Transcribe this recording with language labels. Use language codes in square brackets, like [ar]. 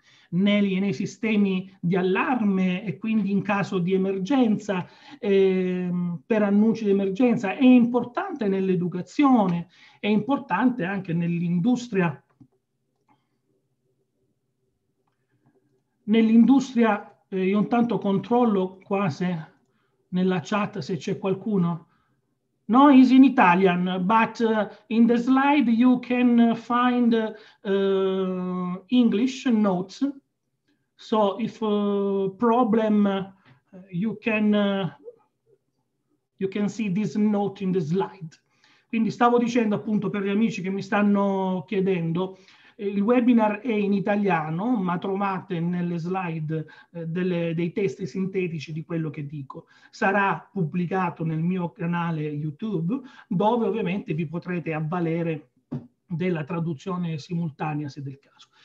[it] nei sistemi di allarme e quindi in caso di emergenza, per annunci di emergenza, è importante nell'educazione, è importante anche nell'industria, io intanto controllo quasi nella chat se c'è qualcuno. [en] No, is in Italian, but in the slide you can find English notes. So if problem you can see this note in the slide. [it] Quindi stavo dicendo appunto per gli amici che mi stanno chiedendo, il webinar è in italiano, ma trovate nelle slide dei testi sintetici di quello che dico. Sarà pubblicato nel mio canale YouTube, dove ovviamente vi potrete avvalere della traduzione simultanea se del caso.